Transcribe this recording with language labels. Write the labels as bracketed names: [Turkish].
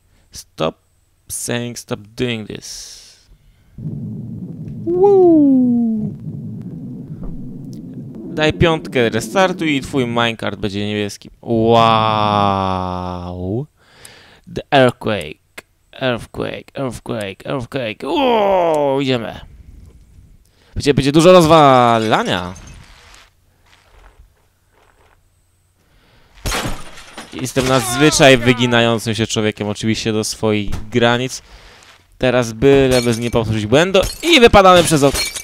[English] Stop saying, stop doing this. Woo! [Polish] Daj piątkę, restartuj i twój minecart będzie niebieski. [English] Wow! The earthquake. Earthquake, earthquake, earthquake. [Polish] Uuu, idziemy. Będzie dużo rozwalania. Jestem nadzwyczaj wyginającym się człowiekiem, oczywiście do swoich granic. Teraz byle bez nie powtórzyć błędu i wypadamy przez okno.